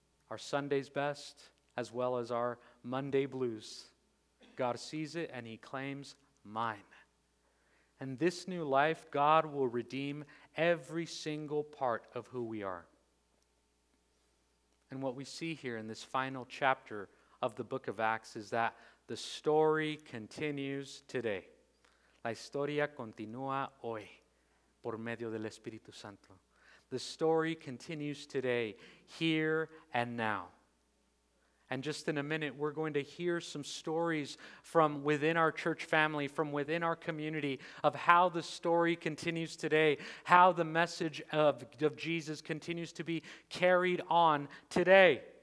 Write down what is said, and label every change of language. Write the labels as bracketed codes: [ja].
[en] Our Sunday's best, as well as our Monday blues, God sees it and he claims, "Mine." And this new life, God will redeem every single part of who we are. And what we see here in this final chapter of the book of Acts is that the story continues today. [es] La historia continúa hoy por medio del Espíritu Santo. [en] The story continues today, here and now. And just in a minute, we're going to hear some stories from within our church family, from within our community, of how the story continues today, how the message of Jesus continues to be carried on today.